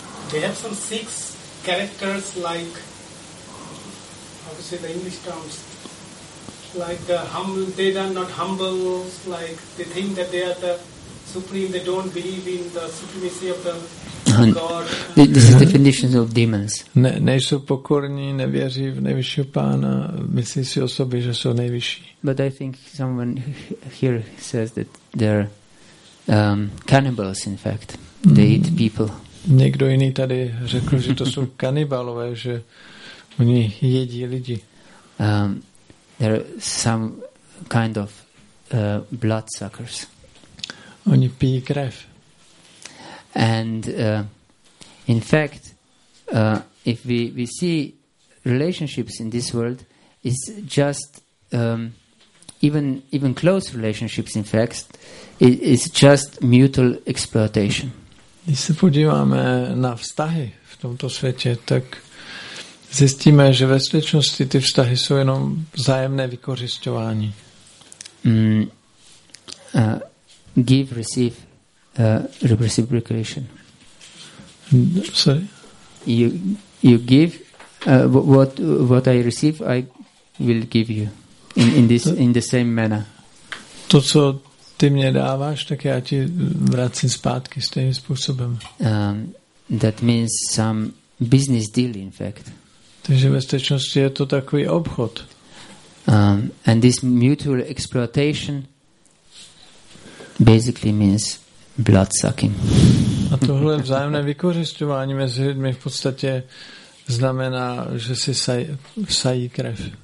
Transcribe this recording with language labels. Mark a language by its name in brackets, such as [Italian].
[English] They have some six characters like, how to say the English terms, like the humble, they are not humble, like they think that they are the supreme, they don't believe in the supremacy of the God. This is definition of demons. [Czech] Ne, nejsou pokorní, nevěří v nejvyššího pána, myslí si o sobě, že jsou nejvyšší. [English] But I think someone here says that they're cannibals, in fact. They eat people. [Czech] Někdo jiný tady řekl, že to jsou kanibalové, že oni jedí lidi. [English] They're some kind of bloodsuckers. [Czech] Oni pijí krev. [English] And in fact, if we see relationships in this world, it's just even close relationships, in fact, it's just mutual exploitation. [Czech] Když se podíváme na vztahy v tomto světě, tak zjistíme, že ve skutečnosti ty vztahy jsou jenom vzájemné vykořisťování. [English] Give, receive. Reciprocation. Sorry. You give what I receive, I will give you in the same manner. [Czech] To co ty mě dáváš, tak já ti vracím zpátky stejným způsobem. [English] That means some business deal, in fact. [Czech] Takže ve skutečnosti je to takový obchod. [English] And this mutual exploitation basically means blood sucking. [Czech] A tohle vzájemné vykořisťování mezi lidmi v podstatě znamená, že si sají krev.